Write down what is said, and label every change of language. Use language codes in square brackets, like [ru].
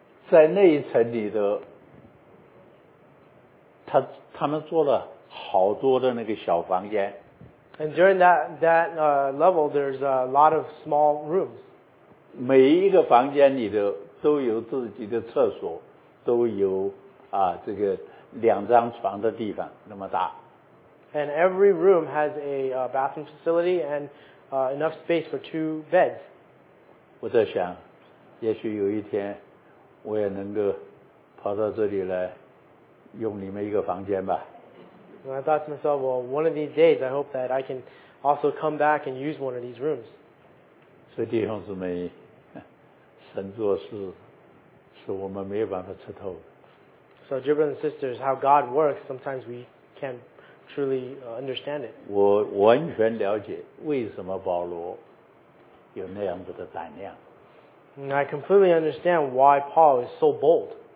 [zh] 在那一层里头，他们做了好多的那个小房间。 [en] And during that level, there's a lot of small rooms. [zh] 每一个房间里头都有自己的厕所，都有啊这个两张床的地方那么大。 [en] And every room has a bathroom facility and enough space for two beds. [zh] 我在想，也许有一天我也能够跑到这里来用你们一个房间吧。 [en] I thought to myself, well, one of these days, I hope that I can also come back and use one of these rooms. [zh] 所以弟兄姊妹，神做事是我们没有办法吃透。 [en] So, dear brothers and sisters, how God works, sometimes we can't truly understand it. [zh] 我完全了解为什么保罗有那样子的胆量。 [en] And I completely understand why Paul is so bold.